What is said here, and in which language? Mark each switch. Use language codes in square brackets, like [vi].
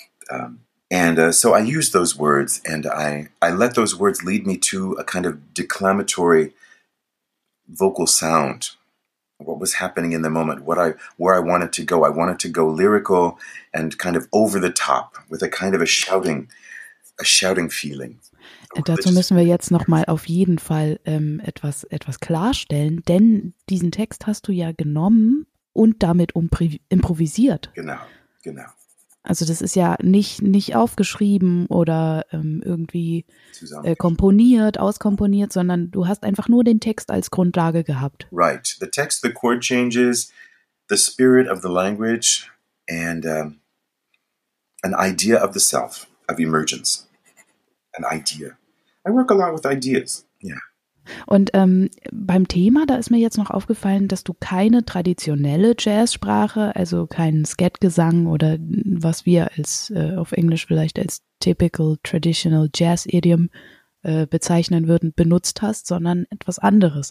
[en] So I used those words, and I let those words lead me to a kind of declamatory vocal sound, what was happening in the moment, where I wanted to go. I wanted to go lyrical and kind of over the top with a kind of a shouting feeling. [de] Dazu müssen wir jetzt nochmal auf jeden Fall etwas klarstellen, denn diesen Text hast du ja genommen und damit improvisiert. Genau. Also das ist ja nicht aufgeschrieben oder irgendwie komponiert, auskomponiert, sondern du hast einfach nur den Text als Grundlage gehabt. [en] Right. The text, the chord changes, the spirit of the language and an idea of the self, of emergence, an idea. I work a lot with ideas, yeah. [de] Und beim Thema, da ist mir jetzt noch aufgefallen, dass du keine traditionelle Jazzsprache, also keinen Skatgesang oder was wir als auf Englisch vielleicht als [en] typical traditional jazz idiom [de] bezeichnen würden, benutzt hast, sondern etwas anderes.